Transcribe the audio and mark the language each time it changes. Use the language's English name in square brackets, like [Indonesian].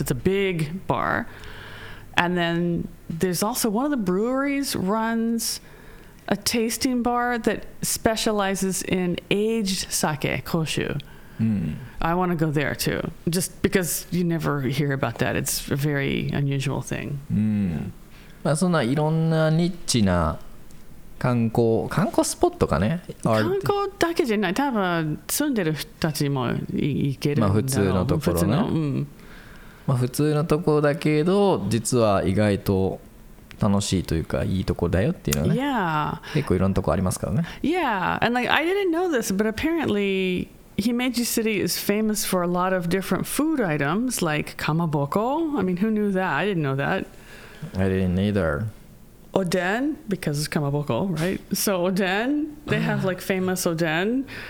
[English] It's a big bar. And then there's also one of the breweries runs a tasting bar that specializes in aged sake, koshu. I want to go there too, just because you never hear about that. It's a very unusual thing. [Japanese] まあそんないろんなニッチな観光スポットかね。観光だけじゃない。多分住んでる人たちも行けるんだろう。まあ普通のところね。まあ、普通のところだけど実は意外と楽しいというかいいとこだよっていうのはね、 [English] yeah. [Japanese] 結構いろんなとこありますからね。 [English] Yeah, and like I didn't know this, but apparently Himeji City is famous for a lot of different food items like kamaboko. I mean, who knew that? I didn't know that. I didn't either. Oden, because it's kamaboko, right? So oden, they have like famous oden.